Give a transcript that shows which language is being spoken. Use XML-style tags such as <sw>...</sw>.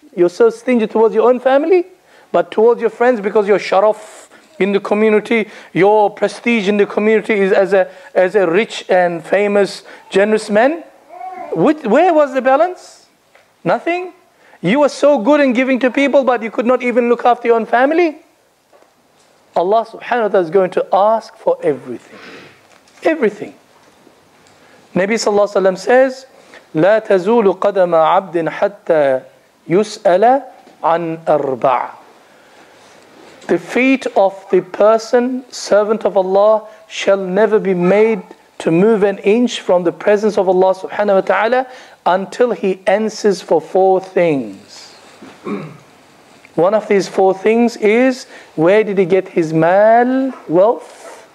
<en>You're so stingy towards your own family, but towards your friends, because your sharaf in the community, your prestige in the community is as a rich and famous, generous man. Where was the balance? Nothing. You were so good in giving to people, but you could not even look after your own family. Allah subhanahu wa ta'ala is going to ask for everything. Everything. Nabi sallallahu alayhi wa sallam says,</en> <ar>لا تزول قدم عبد حتى يسأل عن أربع.</ar> <en>The feet of the person, servant of Allah, shall never be made to move an inch from the presence of Allah subhanahu wa ta'ala until he answers for four things. One of these four things is, where did he get his mal, wealth?</en>